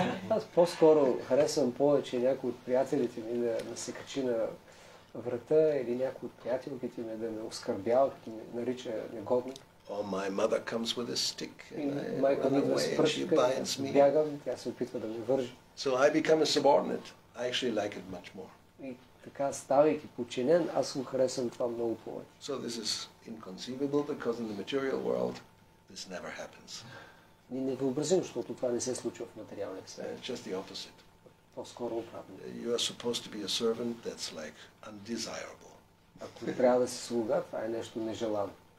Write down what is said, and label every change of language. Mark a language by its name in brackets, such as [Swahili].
[Bulgarian] Аз по-скоро харесвам повече някой от приятелите ми да ме се качи на врата или някой от приятелките ми да ме оскърбява, като ме нарича негодник. [English] Or my mother comes with a stick and I run away and she binds me. [Bulgarian] Бягам, тя се опитва да ме вържи. [English] So I become a subordinate. I actually like it much more. [Bulgarian] Така ставайки подчинен, аз го харесвам това много повече. [English] So this is inconceivable because in the material world this never happens. [Bulgarian] Ни не въобразим, защото това не се случва в материалния свят. [English] It's just the opposite. [Bulgarian] По-скоро обратно. [English] You are supposed to be a servant, that's like undesirable. [Bulgarian] Ако трябва да си слуга, това е нещо нежелано.